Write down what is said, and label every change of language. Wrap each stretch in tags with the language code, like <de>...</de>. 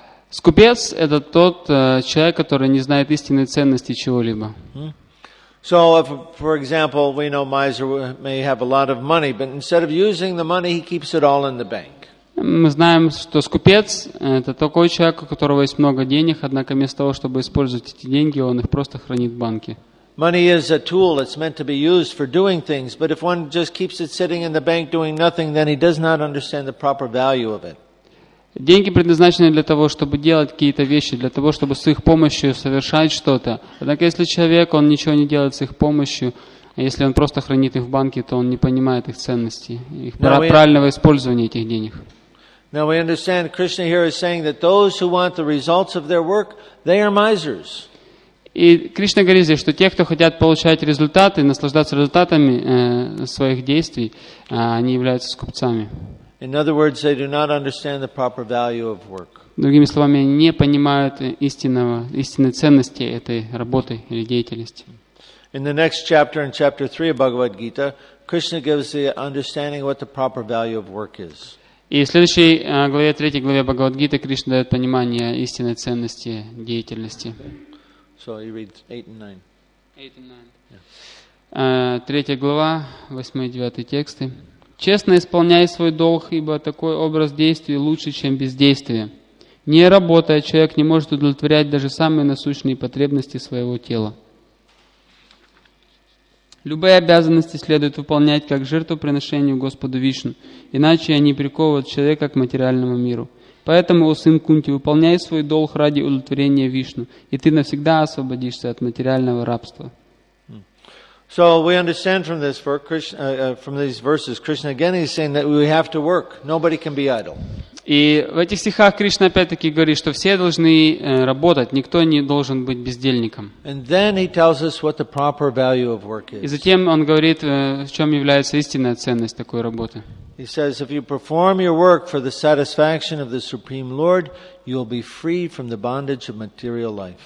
<ru>Скупец — это тот человек, который не знает истинной ценности чего-либо.</ru> <en>So, if, for example, we know miser may have a lot of money, but instead of using the money, he keeps it all in the bank.</en> <ru>Мы знаем, что скупец — это такой человек, у которого есть много денег, однако вместо того, чтобы использовать эти деньги, он их просто хранит в банке.</ru> <en>Money is a tool that's meant to be used for doing things, but if one just keeps it sitting in the bank doing nothing, then he does not understand the proper value of it.</en> <ru>Деньги предназначены для того, чтобы делать какие-то вещи, для того, чтобы с их помощью совершать что-то. Однако если человек, он ничего не делает с их помощью, если он просто хранит их в банке, то он не понимает их ценности, их правильного использования этих денег.</ru> <en>Now we understand Krishna here is saying that those who want the results of their work, they are misers.</en> <ru>И Кришна говорит здесь, что те, кто хотят получать результаты, наслаждаться результатами своих действий, они являются скупцами.</ru> <en>In other words, they do not understand the proper value of work.</en> <ru>Другими словами, они не понимают истинной ценности этой работы или деятельности.</ru> <en>In the next chapter, in chapter 3 of Bhagavad Gita, Krishna gives the understanding what the proper value of work is.</en> <ru>И в следующей главе, третьей главе Бхагавад-гиты, Кришна дает понимание истинной ценности деятельности.</ru> <en>So you read 8 and 9.</en> <ru>Третья глава, 8 и 9 тексты. «Честно исполняй свой долг, ибо такой образ действий лучше, чем бездействие. Не работая, человек не может удовлетворять даже самые насущные потребности своего тела. Любые обязанности следует выполнять как жертвоприношению Господу Вишну, иначе они приковывают человека к материальному миру. Поэтому, о сын Кунти, выполняй свой долг ради удовлетворения Вишну, и ты навсегда освободишься от материального рабства».</ru> <en>So we understand from this for Krishna, from these verses, Krishna again is saying that we have to work. Nobody can be idle.</en> <ru>И в этих стихах Кришна опять-таки говорит, что все должны работать, никто не должен быть бездельником.</ru> <en>And then he tells us what the proper value of work is.</en> <ru>И затем он говорит, в чем является истинная ценность такой работы.</ru> <en>He says, if you perform your work for the satisfaction of the Supreme Lord, you will be free from the bondage of material life.</en>